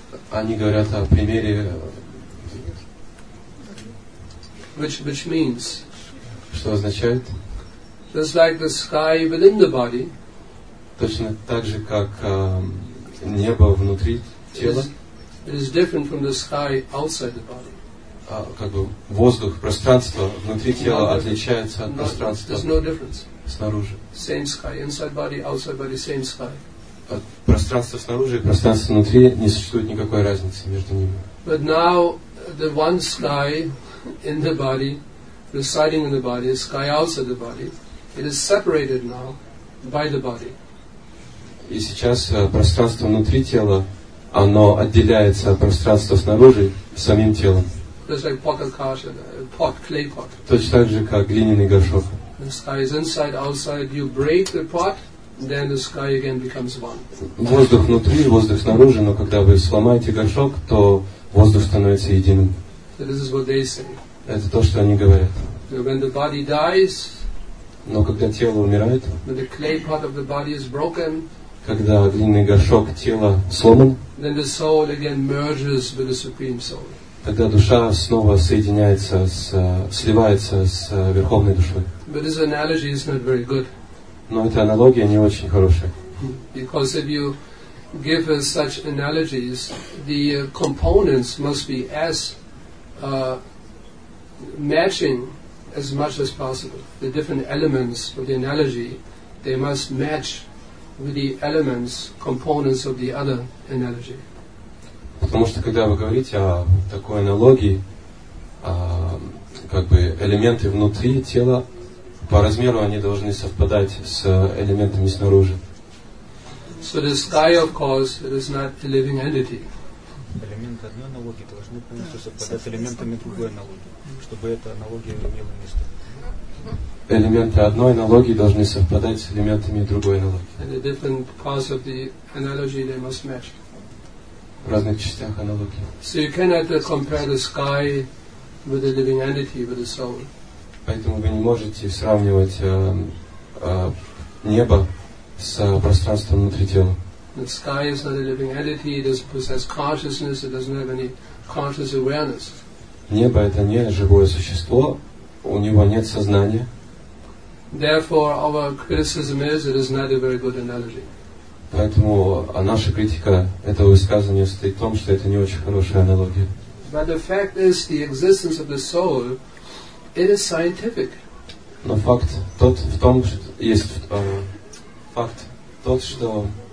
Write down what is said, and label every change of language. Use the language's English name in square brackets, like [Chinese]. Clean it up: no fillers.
[Russian] Они говорят о примере. [English] Which means? [Russian] Что означает? [English] Just like the sky within the body. [Russian] Точно так же, как небо внутри тела. [English] Is different from the sky outside the body. [Russian] Как бы воздух, пространство внутри тела отличается от пространства. [English] There's no difference. [Russian] Снаружи. [English] Same sky, inside body, outside body, same sky. [Russian] Пространство снаружи и пространство внутри не существует никакой разницы между ними. [English] But now the one sky in the body, residing in the body, sky outside the body, it is separated now by the body. [Russian] И сейчас пространство внутри тела, оно отделяется от пространства снаружи самим телом. [English] Just like pot, kasha, pot, clay pot. [Russian] Точно так же, как глиняный горшок. [English] The sky is inside, outside. You break the pot, then the sky again becomes one. [Russian] Воздух внутри, воздух снаружи, но когда вы сломаете горшок, то воздух становится единым. [English] So this is what they say. [Russian] Это то, что они говорят. [English] So when the body dies, [Russian] но когда тело умирает, [English] when the clay pot of the body is broken, [Russian] когда глиняный горшок тела сломан, [English] then the soul again merges with the supreme soul. [Russian] Тогда душа снова соединяется, сливается с Верховной Душой. [English] But this analogy is not very good. [Russian] Но эта аналогия не очень хорошая. [English] Because if you give us such analogies, the components must be as matching as much as possible. The different elements of the analogy, they must match with the elements, components of the other analogy. [Russian] Потому что когда вы говорите о такой аналогии, как бы элементы внутри тела, по размеру они должны совпадать с элементами снаружи. [English] So the sky, of course, it is not a living entity. [Russian] Элементы одной аналогии должны полностью совпадать с элементами другой аналогии, чтобы эта аналогия имела место. Элементы одной аналогии должны совпадать с элементами другой аналогии. [English] And the different parts of the analogy, they must match. [Russian] В разных частях аналогии. [English] So you cannot compare the sky with the living entity, with the soul. [Russian] Поэтому вы не можете сравнивать небо с пространством внутри тела. [English] The sky is not a living entity, it doesn't possess consciousness, it doesn't have any conscious awareness. [Russian] Небо это не живое существо, у него нет сознания. [English] Therefore, our criticism is it is not a very good analogy. [Russian] Поэтому наша критика этого высказывания состоит в том, что это не очень хорошая аналогия. [English] But the fact is, the existence of the soul, it is scientific. [Russian] Но факт тот в том, что есть факт тот, что